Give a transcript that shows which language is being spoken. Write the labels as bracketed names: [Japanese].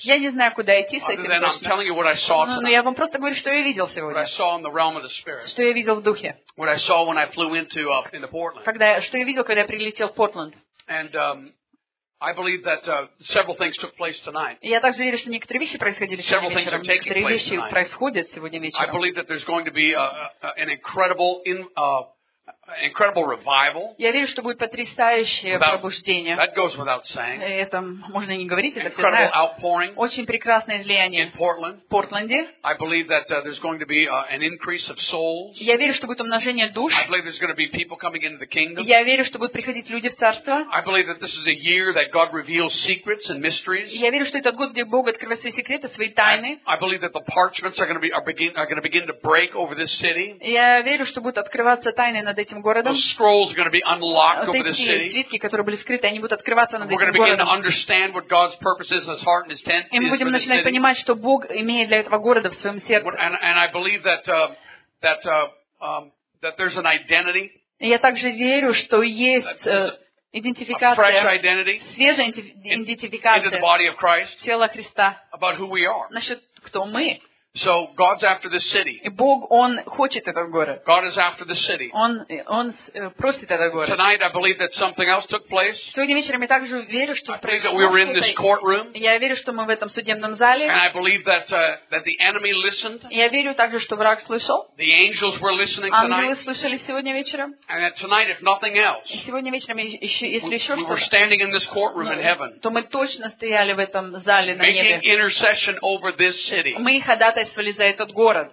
[Russian] я не знаю, куда идти с этим. [English] I'm telling you what I saw tonight, [Russian] но я вам просто говорю, что я видел сегодня. [English] What I saw in the realm of the spirit, [Russian] что я видел в духе. [English] What I saw when I flew into Portland, [Russian] что я видел, когда я прилетел в Портленд. [English] And I believe that several things took place tonight. [Russian] Я также верю, что некоторые вещи происходили [English] several [Russian] сегодня вечером. Некоторые вещи происходят сегодня вечером. [English] I believe that there's going to be an incredible incredible revival. [Russian] Я верю, что будет потрясающее пробуждение. [English] That goes without saying. [Russian] Это можно не говорить, это все знают. [English] Incredible outpouring. [Russian] Очень прекрасное излияние. [English] In Portland. [Russian] В Портленде. [English] I believe that there's going to be an increase of souls. [Russian] Я верю, что будет умножение душ. [English] I believe there's going to be people coming into the kingdom. [Russian] Я верю, что будут приходить люди в царство. [English] I believe that this is a year that God reveals secrets and mysteries. [Russian] Я верю, что это год, где Бог открывает свои секреты, свои тайны. [English] I believe that the parchments are going to begin to break over this city. [Russian] Я верю, что будут открываться тайны над этим городом. [English] The scrolls are going to be unlocked over this city. [Russian] Свитки, которые были скрыты, они будут открываться над этим городом. [English] We're going to begin to understand what God's purpose is in His heart and His tent. [Russian] И мы будем начинать понимать, что Бог имеет для этого города в своем сердце. [English] And I believe that that there's an identity. [Russian] Я также верю, что есть идентификация. [English] A fresh identity. [Russian] Свежая идентификация. [English] Into the body of Christ. [Russian] Тело Христа. [English] About who we are. [Russian] Насчет кто мы. [English] So God's after this city. [Russian] И Бог, Он хочет этот город. [English] God is after the city. [Russian] Он просит этот город. [English] Tonight I believe that something else took place. [Russian] Сегодня вечером я также верю, что [English] I believe that we were in this courtroom. [Russian] Я верю, что мы в этом судебном зале. [English] And I believe that that the enemy listened. [Russian] Я верю также, что враг слышал. [English] The angels were listening tonight. [Russian] Ангелы слышали сегодня вечером. [English] And tonight, if nothing else, [Russian] сегодня вечером, если еще что-то, [English] we're standing in this courtroom in heaven. [Russian] То мы точно стояли в этом зале на небе. [English] Making intercession over this city. [Russian] Мы ходатай за этот город.